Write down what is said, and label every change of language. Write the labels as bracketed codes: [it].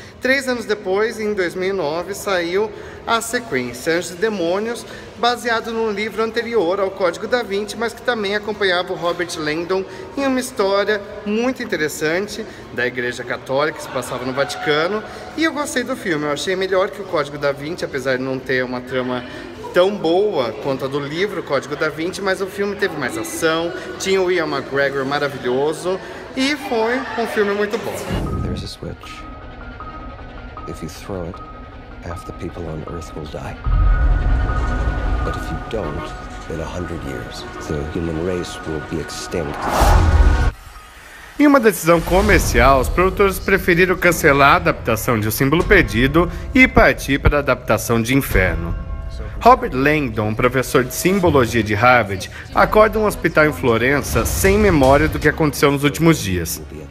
[pt] 3 anos depois, em 2009, saiu a sequência Anjos e Demônios, baseado num livro anterior ao Código da Vinci, mas que também acompanhava o Robert Langdon em uma história muito interessante da Igreja Católica, que se passava no Vaticano, e eu gostei do filme. Eu achei melhor que o Código da Vinci, apesar de não ter uma trama tão boa quanto a do livro Código da Vinci, mas o filme teve mais ação, tinha o Ian McGregor maravilhoso e foi um filme muito bom. [en] There's a switch. If you throw it, half the people on Earth will die. But if you don't, in 100 years, the human race will be extinct. [pt] Em uma decisão comercial, os produtores preferiram cancelar a adaptação de O Símbolo Perdido e partir para a adaptação de Inferno. Robert Langdon, professor de simbologia de Harvard, acorda em um hospital em Florença sem memória do que aconteceu nos últimos dias.